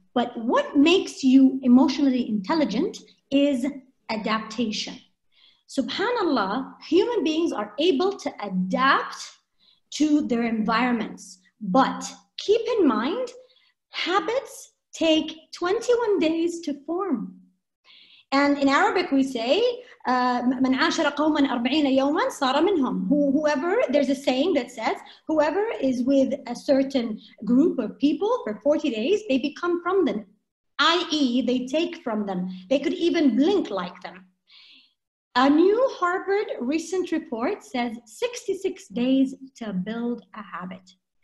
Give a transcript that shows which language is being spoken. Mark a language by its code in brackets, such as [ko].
[en] But what makes you emotionally intelligent is adaptation. Subhanallah, human beings are able to adapt to their environments. But keep in mind, habits take 21 days to form. And in Arabic we say, [ar] من عاشر قوما 40 يوما صار منهم. [en] Whoever, there's a saying that says, whoever is with a certain group of people for 40 days, they become from them. I.e. they take from them. They could even blink like them. A new Harvard recent report says 66 days to build a habit.